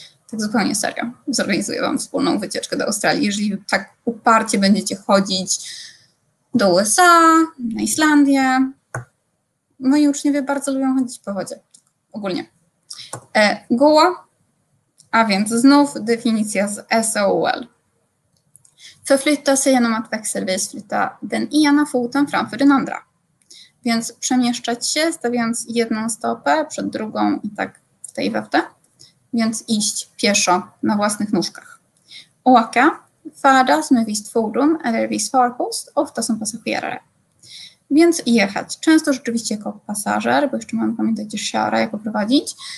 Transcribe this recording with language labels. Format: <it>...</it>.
<pl>Tak zupełnie serio, zorganizuję Wam wspólną wycieczkę do Australii. Jeżeli tak uparcie będziecie chodzić do USA, na Islandię. Moi uczniowie bardzo lubią chodzić po wodzie, ogólnie. Goa, a więc znów definicja z SOL.</pl> <sv>Förflytta sig genom att växelvis flytta den ena foten framför den andra.</sv> <pl>Więc przemieszczać się, stawiając jedną stopę przed drugą i tak w tej wewte. Więc iść pieszo na własnych nóżkach.</pl> <sv>Åka, färdas med visst fordon eller viss farkost, ofta som passagerare.</sv> <pl>Więc jechać, często rzeczywiście jako pasażer, bo jeszcze mam pamiętać, że siara, jak prowadzić.</pl>